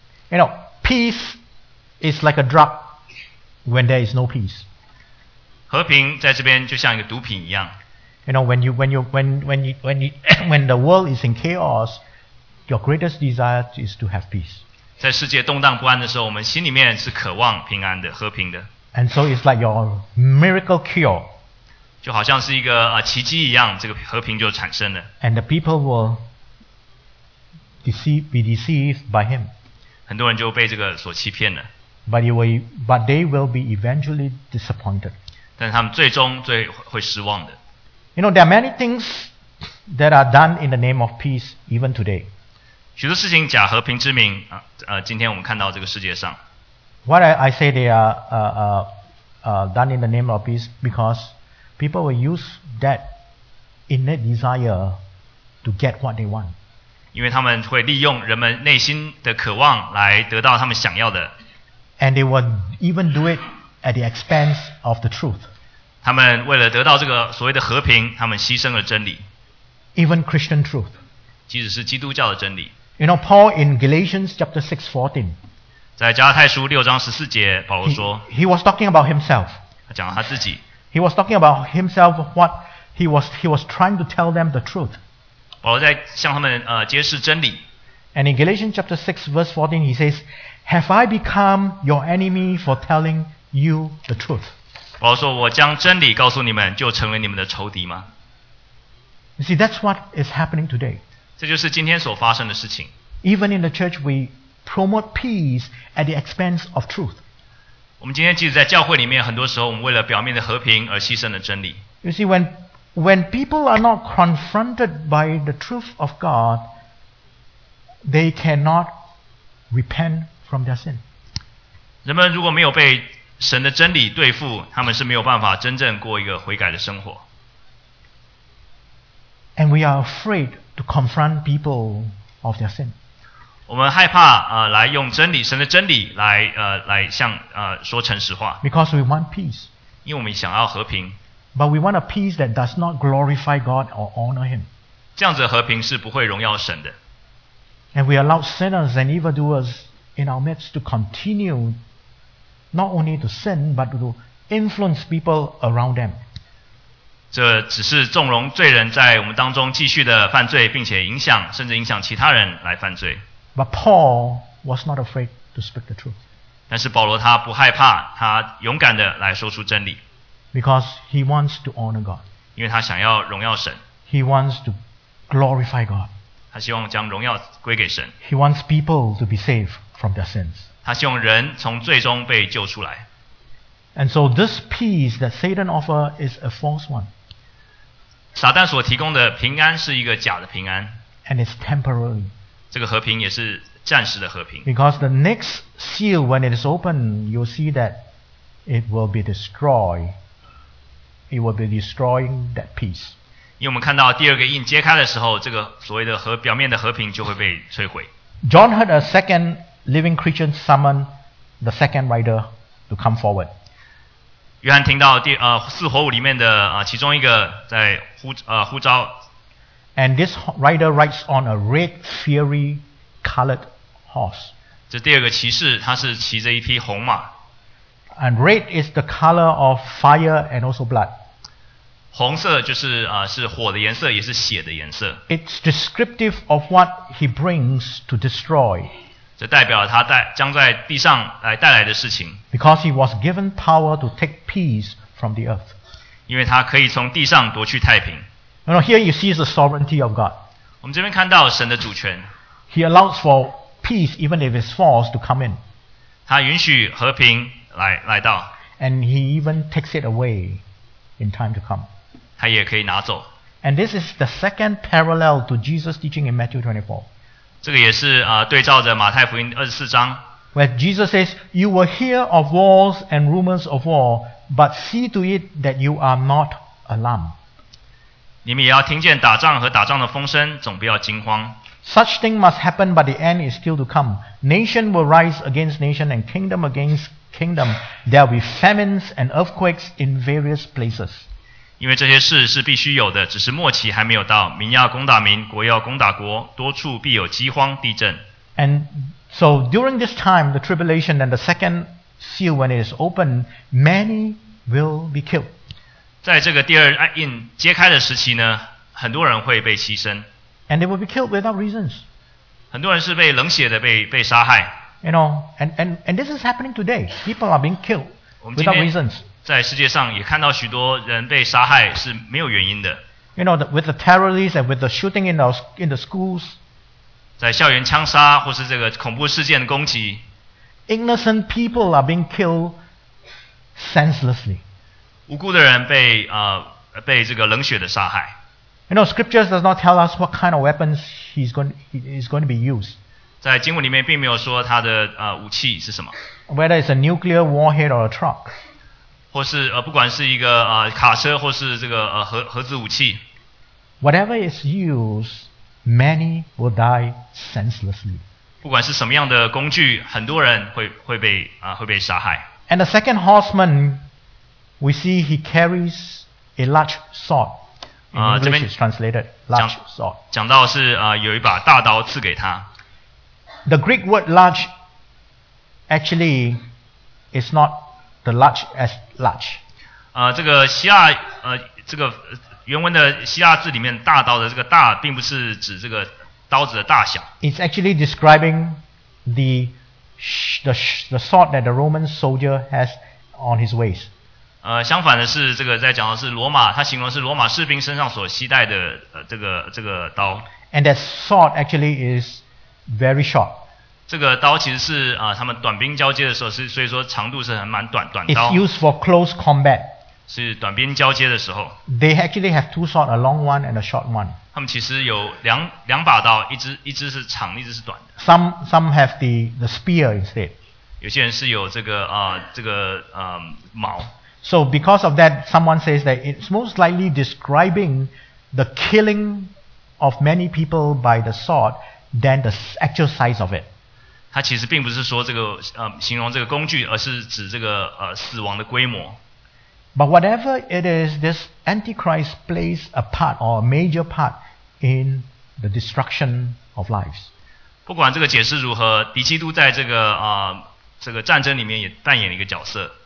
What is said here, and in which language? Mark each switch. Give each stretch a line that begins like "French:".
English: You know, peace is like a drug when there is no peace.
Chinese: 和平在这边就像一个毒品一样。
English: You know, when the world is in chaos, your greatest desire is to have peace.
Chinese: 在世界动荡不安的时候，我们心里面是渴望平安的、和平的。
English: And so it's like your miracle cure.
Chinese: 就好像是一个奇迹一样，这个和平就产生了。
English: And the people will be deceived by him.
Chinese: 很多人就被这个所欺骗了。
English: But they will be eventually disappointed.
Chinese: 但他们最终最会失望的。
English: You know, there are many things that are done in the name of peace even today.
Chinese: 许多事情假和平之名今天我们看到这个世界上。
English: What I say they are done in the name of peace because people will use that innate desire to get what they want.
Chinese: 因为他们会利用人们内心的渴望来得到他们想要的。
English: And they will even do it at the expense of the truth.
Chinese: 他们为了得到这个所谓的和平，他们牺牲了真理。
English: Even Christian truth.
Chinese: 即使是基督教的真理。
English: You know, Paul in Galatians chapter 6:14.
Chinese: 在加拉太书六章十四节，保罗说。
English: He was talking about himself.
Chinese: 他讲了他自己。
English: He was talking about himself, what he was trying to tell them the truth.
Chinese: 保罗在向他们揭示真理。
English: And in Galatians chapter 6 verse 14 he says, Have I become your enemy for telling you the truth?
Chinese: 保罗说我将真理告诉你们就成为你们的仇敌吗？
English: You see, that's what is happening today.
Chinese: 这就是今天所发生的事情。
English: Even in the church we promote peace at the expense of truth.
Chinese: 我们今天即使在教会里面很多时候我们为了表面的和平而牺牲了真理。
English: You see, when people are not confronted by the truth of God, they cannot repent from their sin.
Chinese: 人们如果没有被神的真理对付，他们是没有办法真正过一个悔改的生活。
English: And we are afraid to confront people of their sin.
Chinese: 我们害怕来用真理，神的真理来向说诚实话。
English: Because we want peace.
Chinese: 因为我们想要和平。
English: But we want a peace that does not glorify God or honor Him.
Chinese: 这样子的和平是不会荣耀神的。
English: And we allow sinners and evildoers in our midst to continue not only to sin, but to influence people around them.
Chinese: 这只是纵容罪人在我们当中继续的犯罪，并且影响，甚至影响其他人来犯罪。
English: But Paul was not afraid to speak the truth.
Chinese: 但是保罗他不害怕，他勇敢的来说出真理。
English: Because he wants to honor God.
Chinese: 因为他想要荣耀神。
English: He wants to glorify God.
Chinese: 他希望将荣耀归给神。
English: He wants people to be saved from their sins.
Chinese: 他希望人从罪中被救出来。
English: And so this peace that Satan offers is a false one.
Chinese: 撒旦所提供的平安是一个假的平安。
English: And it's temporary.
Chinese: 这个和平也是暂时的和平。
English: Because the next seal, when it is opened, you'll see that it will be destroyed. It will be destroying that peace.
Chinese: 因为我们看到第二个印揭开的时候，这个所谓的表面的和平就会被摧毁。
English: John heard a second living creature summon the second rider to come forward.
Chinese: 约翰听到四活物里面的其中一个在呼召。
English: And this rider rides on a red fiery colored horse.
Chinese: 这第二个骑士，他是骑着一匹红马。
English: And red is the color of fire and also blood.
Chinese: 红色就是是火的颜色，也是血的颜色。
English: It's descriptive of what he brings to destroy.
Chinese: 这代表他将在地上来带来的事情。
English: Because he was given power to take peace from the earth.
Chinese: 因为他可以从地上夺去太平。
English: You know, here you see the sovereignty of God.
Chinese: 我们这边看到神的主权。
English: He allows for peace even if it's false to come in.
Chinese: 他允许和平。来到
English: and he even takes it away in time to come.
Chinese: 他也可以拿走。
English: And this is the second parallel to Jesus' teaching in Matthew 24.
Chinese: 这个也是对照着马太福音24章。
English: Where Jesus says, you will hear of wars and rumors of war, but see to it that you are not alarmed.
Chinese: 你们也要听见打仗和打仗的风声，总不要惊慌。
English: Such thing must happen, but the end is still to come. Nation will rise against nation and kingdom against kingdom. There will be famines and earthquakes in various places.
Chinese: 因为这些事是必须有的，只是末期还没有到。民要攻打民，国要攻打国，多处必有饥荒、地震。
English: And so during this time, the tribulation and the second seal, when it is opened, many will be killed.
Chinese: 在这个第二印揭开的时期呢，很多人会被牺牲。
English: And they will be killed without reasons.
Chinese: 很多人是被冷血的被杀害。
English: You know, and this is happening today. People are being killed without reasons.
Chinese: 在世界上也看到许多人被杀害是没有原因的。
English: You know, with the terrorists and with the shooting in the schools.
Chinese: 在校园枪杀或是这个恐怖事件的攻击。
English: Innocent people are being killed senselessly.
Chinese: 无辜的人被这个冷血的杀害。
English: You know, scriptures does not tell us what kind of weapons he is going to be used.
Chinese: 在经文里面并没有说他的武器是什么。
English: Whether it's a nuclear warhead or a truck.
Chinese: 或是不管是一个卡车或是这个核子武器。
English: Whatever is used, many will die senselessly.
Chinese: 不管是什么样的工具，很多人会被杀害。
English: And the second horseman, we see he carries a large sword.
Chinese: 这边
English: translated large sword
Chinese: 讲到是有一把大刀赐给他。
English: The Greek word large actually is not the large as large.
Chinese: 这个希腊这个原文的希腊字里面大刀的这个大并不是指这个刀子的大小。
English: It's actually describing the sword that the Roman soldier has on his waist.
Chinese: 相反的是，这个在讲的是罗马，它形容是罗马士兵身上所携带的这个刀。
English: And that sword actually is very short.
Chinese: 这个刀其实是他们短兵交接的时候，所以说长度是很蛮短短刀。
English: It's used for close combat.
Chinese: 是短兵交接的时候。
English: They actually have two swords, a long one and a short one.
Chinese: 他们其实有两把刀，一只是长，一只是短的。
English: Some have the spear instead.
Chinese: 有些人是有这个矛。
English: So because of that, someone says that it's most likely describing the killing of many people by the sword than the actual size of it.
Chinese: 它其实并不是说这个形容这个工具，而是指这个死亡的规模。
English: But whatever it is, this Antichrist plays a part or a major part in the destruction of lives.
Chinese: 不管这个解释如何，敌基督在这个战争里面也扮演了一个角色。